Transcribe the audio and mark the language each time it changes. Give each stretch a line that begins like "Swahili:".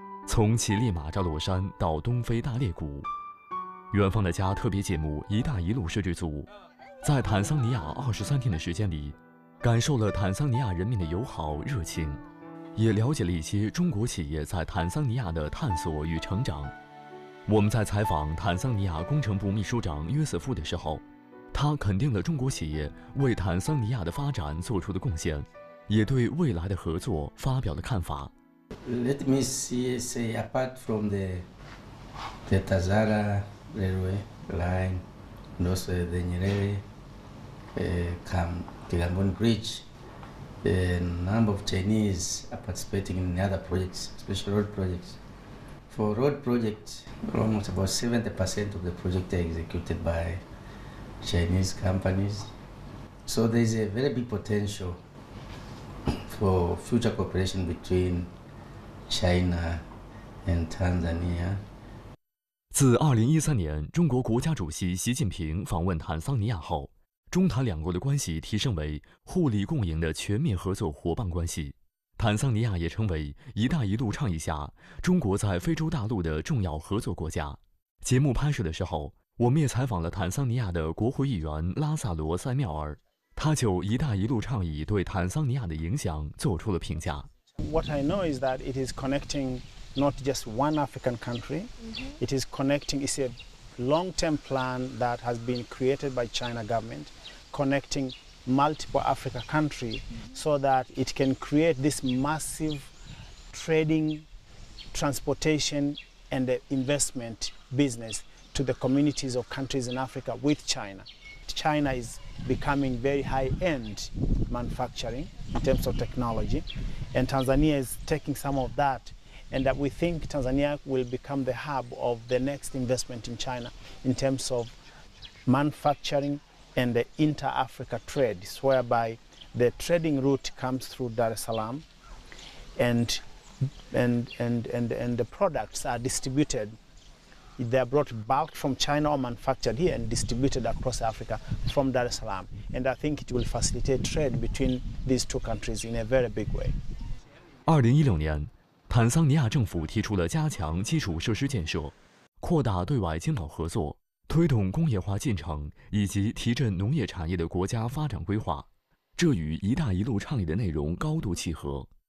Chinese: 从乞力马扎罗山到东非大裂谷，远方的家特别节目一带一路摄制组在坦桑尼亚23天的时间里，感受了坦桑尼亚人民的友好热情，也了解了一些中国企业在坦桑尼亚的探索与成长。我们在采访坦桑尼亚工程部秘书长约瑟夫的时候，他肯定了中国企业为坦桑尼亚的发展做出的贡献，也对未来的合作发表了看法。
English: Let me say apart from the Tazara railway line, and also the Nyerere Kigamboni bridge, the number of Chinese are participating in other projects, especially road projects. For road projects, almost about 70% of the projects are executed by Chinese companies. So there's a very big potential for future cooperation between. China and Tanzania.
Chinese: 自2013年中国国家主席习近平访问坦桑尼亚后，中坦两国的关系提升为互利共赢的全面合作伙伴关系。坦桑尼亚也成为“一带一路”倡议下中国在非洲大陆的重要合作国家。节目拍摄的时候，我们也采访了坦桑尼亚的国会议员拉萨罗塞妙尔，他就“一带一路”倡议对坦桑尼亚的影响做出了评价。
English: What I know is that it is connecting not just one African country. It is connecting, it's a long-term plan that has been created by China government, connecting multiple Africa countries so that it can create this massive trading, transportation, and investment business to the communities of countries in Africa with China. China is becoming very high-end manufacturing in terms of technology. And Tanzania is taking some of that, and that we think Tanzania will become the hub of the next investment in China in terms of manufacturing and the inter-Africa trade, whereby the trading route comes through Dar es Salaam, and the products are distributed. They are brought bulk from China or manufactured here and distributed across Africa from Dar es Salaam. And I think it will facilitate trade between these two countries in a very big way.
Chinese: 2016年，坦桑尼亚政府提出了加强基础设施建设、扩大对外经贸合作、推动工业化进程以及提振农业产业的国家发展规划，这与“一带一路”倡议的内容高度契合。